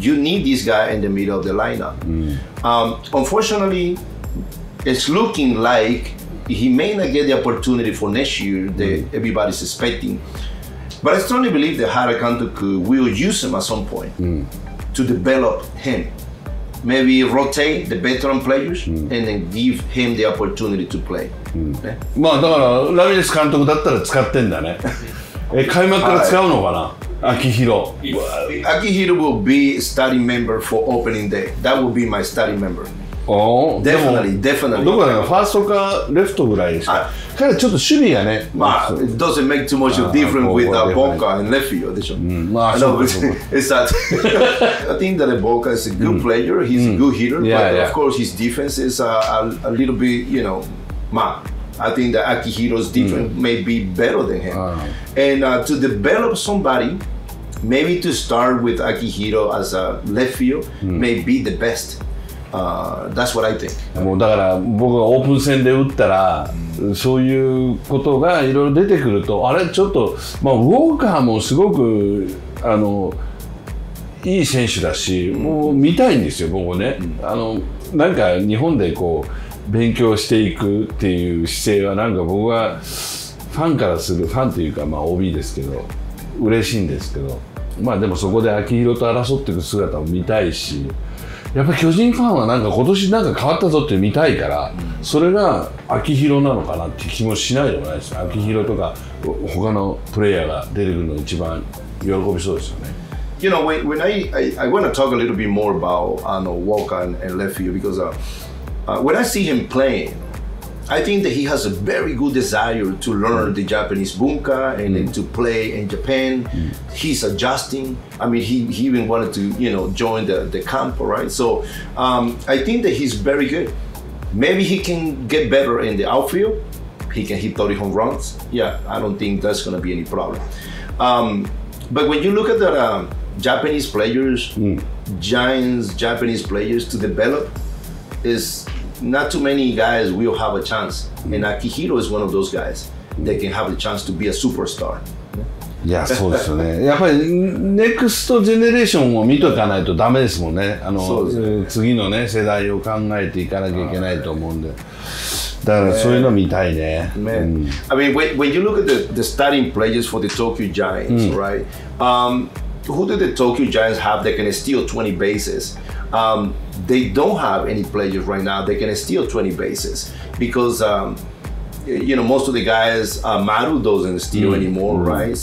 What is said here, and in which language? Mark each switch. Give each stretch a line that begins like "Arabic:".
English: You need this guy in the middle of the lineup. Unfortunately, it's looking like he may not get the opportunity for next year that everybody's expecting. But I strongly believe that Hara Kantuku will use him at some point to develop him. maybe rotate the veteran players、うん、and then give him the opportunity to play、うん、okay?
Japanese: まあだからラミレス監督だったら使ってんだね開幕から使うのかな、はい、秋広、
English: well, 秋広 will be starting member for opening day. That will be my starting member. Oh, definitely, definitely.
Japanese: どこだろう、ファーストかレフトぐらいですか。彼はちょっと守備がね。
English: まあ、it doesn't make too much of difference with a Boca and left field,
Japanese: でしょ。うん、まあ、そうそうそう。
English: It's that. I think that a Boca is a good player. He's a good hitter. Yeah, but yeah. Of course, his defense is a little bit, you know, まあ。 I think that Akihiro's defense may be better than him. And to develop somebody, maybe to start with Akihiro as a left field may be the best. That's what I think.
Japanese: もうだから僕がオープン戦で打ったら、そういうことがいろいろ出てくると、あれちょっと、まあ、ウォーカーもすごくあのいい選手だし、もう見たいんですよ、僕ね。あのなんか日本でこう、勉強していくっていう姿勢はなんか僕はファンからするファンというかまあ OB ですけど嬉しいんですけどまあでもそこで秋広と争っていく姿を見たいしやっぱり巨人ファンはなんか今年なんか変わったぞって見たいからそれが秋広なのかなって気もしないでもないですね秋広とか他のプレイヤーが出てくるの一番喜びそうですよね。
English: You know when I want to talk a little bit more about Walker and left field because when I see him playing, I think that he has a very good desire to learn the Japanese bunka and then to play in Japan. He's adjusting. I mean, he even wanted to, you know, join the camp, right? So I think that he's very good. Maybe he can get better in the outfield. He can hit 30 home runs. Yeah, I don't think that's going to be any problem. But when you look at the Japanese players, Giants, Japanese players to develop, is not too many guys will have a chance. And Akihiro is one of those guys that can have a chance to be a superstar.
Japanese: Yeah, そうですよね。やっぱり
English: next generation
Japanese: を見とかないとダメですもんね。あの、次のね、世代を考えていかなきゃいけないと思うんで。だからそういうの見たいね。
English: Man. I mean, when you look at the starting players for the Tokyo Giants, right? Who do the Tokyo Giants have that can steal 20 bases? They don't have any players right now. They can steal 20 bases because, you know, most of the guys, Maru doesn't steal anymore, right?